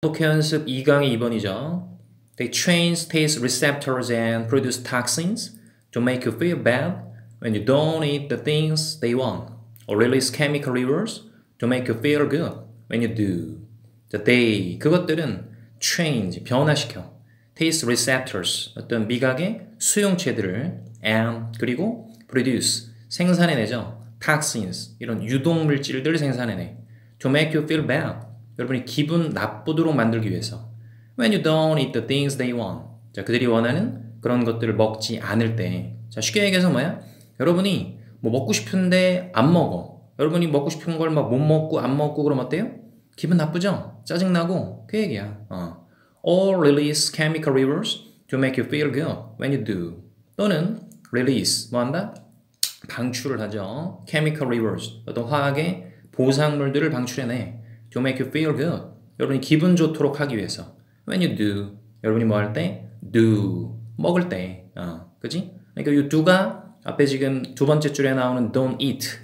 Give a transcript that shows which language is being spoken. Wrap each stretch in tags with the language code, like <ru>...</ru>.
<ko>영어독해연습 2강이 2번이죠.</ko> <en>They train taste receptors and produce toxins to make you feel bad when you don't eat the things they want, or release chemical rivers to make you feel good when you do. They 그것들은 change 변화시켜.</en> <ko>Taste receptors 어떤 미각의 수용체들을 and 그리고 produce 생산해내죠.</ko> <en>Toxins 이런 유독물질들을 생산해내. To make you feel bad.</en> <ko>여러분이 기분 나쁘도록 만들기 위해서.</ko> <en>When you don't eat the things they want.</en> <ko>자, 그들이 원하는 그런 것들을 먹지 않을 때. 자, 쉽게 얘기해서 뭐야? 여러분이 뭐 먹고 싶은데 안 먹어. 여러분이 먹고 싶은 걸막못 먹고 안 먹고 그럼 어때요? 기분 나쁘죠? 짜증나고. 그 얘기야.</ko> <en>Or release chemical rivers to make you feel good when you do.</en> <ko>또는 release. 뭐 한다? 방출을 하죠. Chemical rivers. 어떤 화학의 보상물들을 방출해내.</ko> <en>To make you feel good.</en> <ko>여러분이 기분 좋도록 하기 위해서. When you do. 여러분이 뭐할 때? Do. 먹을 때. 그지? 그러니까 이 do가 앞에 지금 두 번째 줄에 나오는 don't eat.</ko>